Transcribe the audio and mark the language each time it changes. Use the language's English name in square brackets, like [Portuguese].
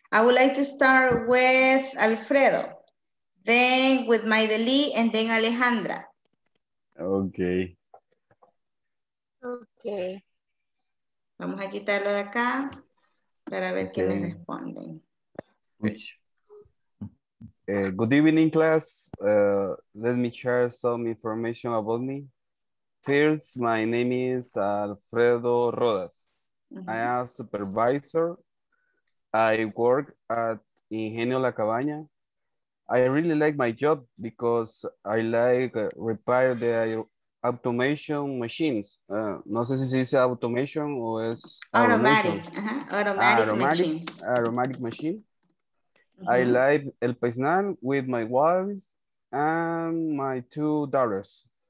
[English] I would like to start with Alfredo, then with Maideli, and then Alejandra. Okay. Okay. [Spanish] Vamos a quitarlo de acá para ver qué me responden. [English] Good evening, class. Let me share some information about me. First, my name is Alfredo Rodas. Mm-hmm. I am a supervisor. I work at Ingenio La Cabaña. I really like my job because I like repair the automation machines. [Spanish] No sé si se dice automation o es [English] automatic. Automatic machine. Mm-hmm. I live El Paisnal with my wife and my two daughters.